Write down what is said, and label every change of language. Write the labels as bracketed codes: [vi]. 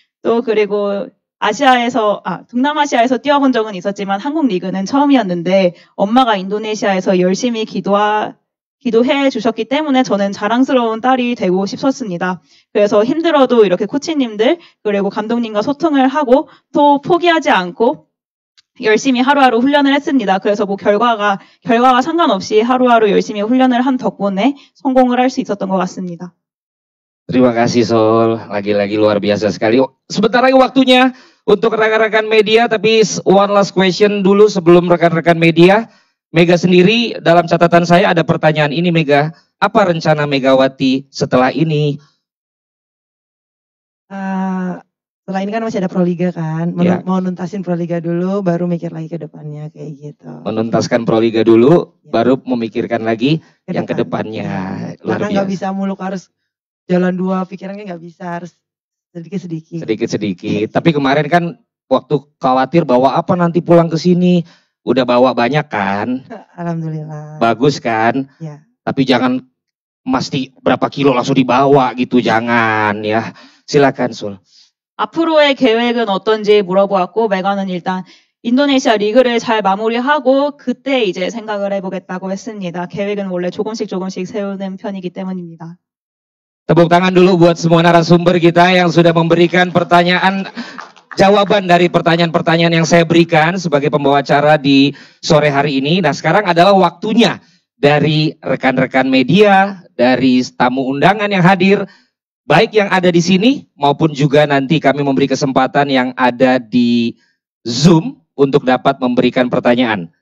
[ko] 또 그리고 동남아시아에서 뛰어본 적은 있었지만 한국 리그는 처음이었는데 엄마가 인도네시아에서 열심히 기도해 주셨기 때문에 저는 자랑스러운 딸이 되고 싶었습니다. 그래서 힘들어도 이렇게 코치님들 그리고 감독님과 소통을 하고 또 포기하지 않고 열심히 하루하루 훈련을 했습니다. 그래서 뭐 결과가 상관없이 하루하루 열심히 훈련을 한 덕분에 성공을 할 수 있었던 것 같습니다. [id] Terima kasih Sol, lagi-lagi luar biasa sekali. Sebentar lagi waktunya untuk rekan-rekan media, tapi [en] one last question [id] dulu sebelum rekan-rekan media. Mega sendiri dalam catatan saya ada pertanyaan ini Mega, apa rencana Megawati setelah ini? Setelah ini kan masih ada Proliga kan, mau nuntasin Proliga dulu baru mikir lagi ke depannya kayak gitu. Menuntaskan Proliga dulu baru memikirkan lagi yang kedepannya. Karena nggak bisa muluk harus jalan dua, pikirannya gak bisa, harus sedikit-sedikit. Sedikit-sedikit, tapi kemarin kan waktu khawatir bawa apa nanti pulang ke sini, udah bawa banyak kan? Alhamdulillah. Bagus kan? Ya. Tapi jangan mesti berapa kilo langsung dibawa gitu, jangan ya. Silakan Sul. [ko] 앞으로의 계획은 어떤지 물어보았고, 메가는 일단 인도네시아 리그를 잘 마무리하고 그때 이제 생각을 해보겠다고 했습니다. 계획은 원래 조금씩 세우는 편이기 때문입니다. [id] Tepuk tangan dulu buat semua narasumber kita yang sudah memberikan pertanyaan, jawaban dari pertanyaan-pertanyaan yang saya berikan sebagai pembawa acara di sore hari ini. Nah sekarang adalah waktunya dari rekan-rekan media, dari tamu undangan yang hadir, baik yang ada di sini maupun juga nanti kami memberi kesempatan yang ada di Zoom untuk dapat memberikan pertanyaan.